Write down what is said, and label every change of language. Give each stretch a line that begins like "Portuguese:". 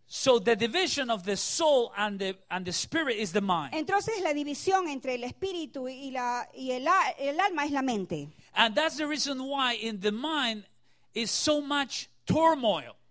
English: So the division of the soul and the spirit is the mind.
Spanish: Entonces la división entre el espíritu y el alma es la mente.
English: And that's the reason why in the mind is so much turmoil.